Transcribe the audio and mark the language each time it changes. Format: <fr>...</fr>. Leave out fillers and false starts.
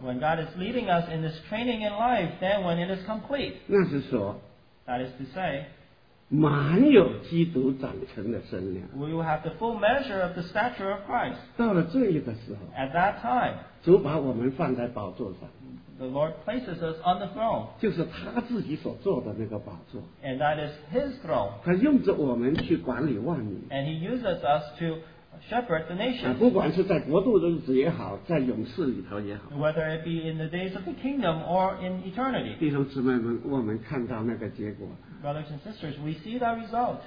<en>When God is leading us in this training in life, then when it is complete.</en> <zh>那是说,</zh> <en>that is to say,</en> <zh>满有基督长成的身量,</zh> <en>we will have the full measure of the stature of Christ.</en> <zh>到了这一个时候,</zh> <en>at that time,</en> <zh>主把我们放在宝座上,</zh> <en>the Lord places us on the throne.</en> <zh>就是他自己所坐的那个宝座,</zh> <en>and that is His throne.</en> <zh>他用着我们去管理万民,</zh> <en>and He uses us to shepherd the nations.</en> <zh>不管是在国度日子也好，在永世里头也好,</zh> <en>whether it be in the days of the kingdom or in eternity.</en> <zh>弟兄姊妹们, 我们看到那个结果,</zh> <en>brothers and sisters, we see that result.</en>